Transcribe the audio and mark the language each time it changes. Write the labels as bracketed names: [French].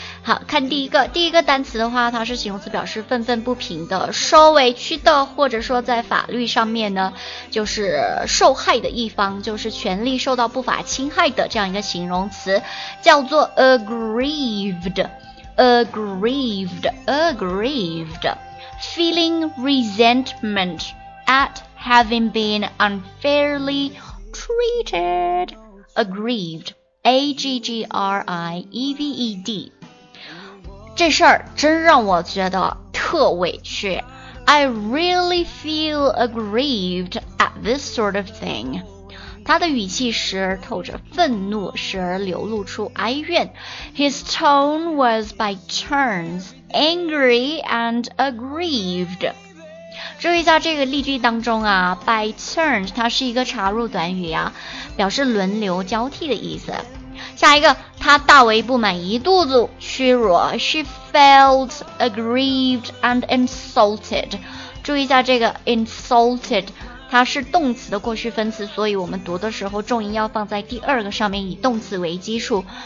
[Chinese] 好，看第一个，第一个单词的话，它是形容词，表示愤愤不平的、受委屈的，或者说在法律上面呢，就是受害的一方，就是权利受到不法侵害的这样一个形容词，叫做 aggrieved。 [English] aggrieved, feeling resentment at having been unfairly treated. Aggrieved, aggrieved. [Chinese] 这事儿真让我觉得特委屈。 [English] I really feel aggrieved at this sort of thing. [Chinese] 他的语气时透着愤怒，时流露出哀怨。 [English] His tone was by turns angry and aggrieved. [Chinese] 注意一下这个例句当中啊 , [English] by turns, [Chinese] 它是一个插入短语啊，表示轮流交替的意思。下一个，他大为不满，一肚子屈辱。 [English] She felt aggrieved and insulted. [Chinese] 注意一下这个 insulted， 它是动词的过去分词，所以我们读的时候重音要放在第二个上面，以动词为基础。